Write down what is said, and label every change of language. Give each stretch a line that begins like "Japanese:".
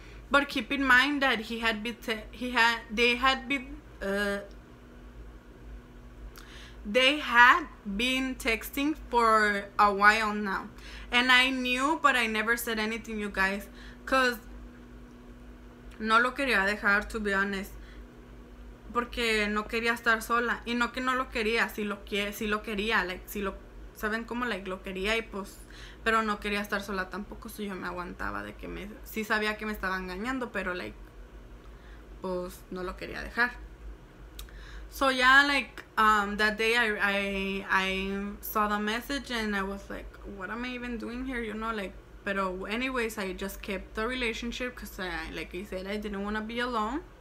English: But keep in mind that they had been texting for a while now, and I knew, but I never said anything, you guys, because
Spanish: no lo quería dejar,
English: to be honest.
Spanish: Porque no quería estar sola. Y no que no lo quería, si lo quería, like, si lo, ¿saben cómo? Like, lo quería y pues, pero no quería estar sola tampoco, si yo me aguantaba de que me, sí sabía que me estaba engañando, pero, like, pues, no lo quería dejar.
English: So, yeah, like, that day I saw the message and I was like, what am I even doing here, you know, like, pero anyways, I just kept the relationship because, like I said, I didn't want to be alone.